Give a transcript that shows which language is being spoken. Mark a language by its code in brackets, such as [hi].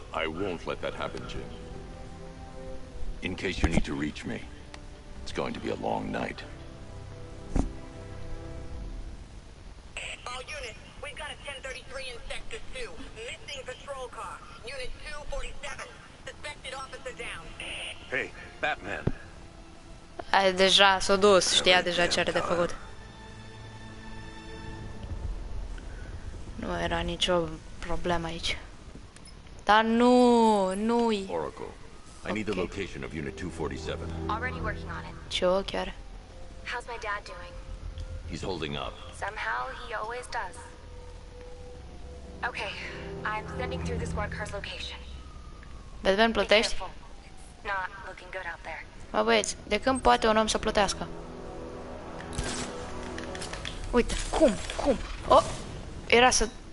[en] I won't let that happen, Jim. In case you need to reach me, it's going to be a long night. All units, we've got a 1033 in Sector 2. Missing patrol car. Unit 247. Suspected officer down. Hey, Batman. [ro] Deja s-a dus, știa deja ce are de făcut. Nu era nicio problemă aici. Dar nu, nu-i. [en] Oracle, I need the location of Unit 247. Already working on it. [ro] Ce-o chiar? [en] How's my dad doing? He's holding up. Somehow, he always does. Okay, I'm sending through the squad car's location. [ro] Batman, plătești? [en] Be careful. It's not looking good out there. [ro] Bă, băieți, de când poate un om să plătească? Uite, cum, cum? Oh, era să...